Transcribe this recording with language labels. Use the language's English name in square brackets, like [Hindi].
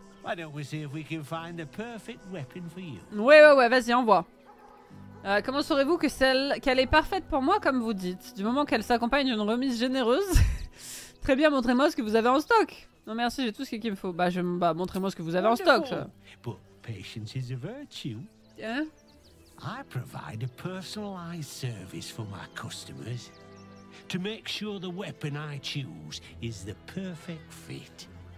[English] Why don't we see if we can find the perfect weapon for you? [French] Ouais, vas-y, envoie. Comment saurez-vous que qu'elle est parfaite pour moi, comme vous dites? Du moment qu'elle s'accompagne d'une remise généreuse. Très bien, montrez-moi ce que vous avez en stock. Non merci, j'ai tout ce qu'il me faut. Bah, montrez-moi ce que vous avez en stock. [English] But patience is a virtue. Hein? I provide a personalized service for my customers to make sure the weapon I choose is the perfect fit.